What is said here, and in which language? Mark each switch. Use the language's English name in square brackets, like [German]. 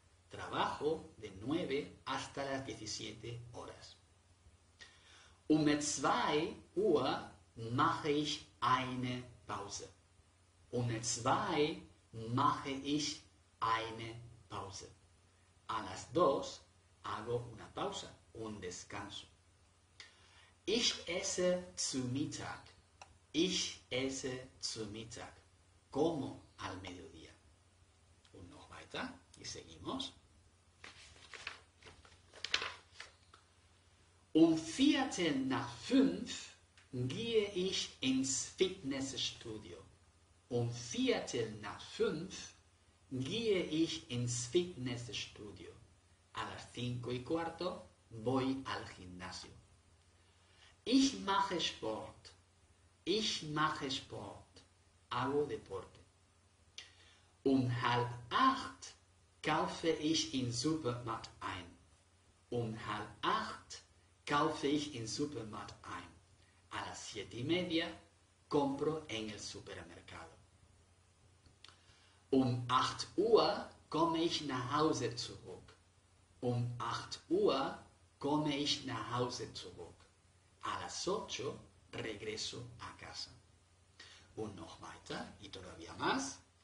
[Spanish] Trabajo de 9 hasta las 17 horas. [German] Um 2 Uhr mache ich eine Pause. Um 2 mache ich eine Pause. [Spanish] A las 2 hago una pausa, un descanso. [German] Ich esse zu Mittag. Ich esse zu Mittag. [Spanish] Como al mediodía. [German] Und noch weiter. [Spanish] Y seguimos. [German] Viertel nach 5 gehe ich ins Fitnessstudio. Viertel nach 5 gehe ich ins Fitnessstudio. [Spanish] A las 5 y cuarto voy al gimnasio. [German] Ich mache Sport. Ich mache Sport. [Spanish] Hago deporte. [German] Halb 8 kaufe ich im Supermarkt ein. Halb 8 kaufe ich im Supermarkt ein. [Spanish] A las 7 y media compro en el supermercado. [German] 8 Uhr komme ich nach Hause zurück. 8 Uhr komme ich nach Hause zurück. [Spanish] A las 8 regreso a casa. [German] Und noch weiter, [Spanish] y todavía más.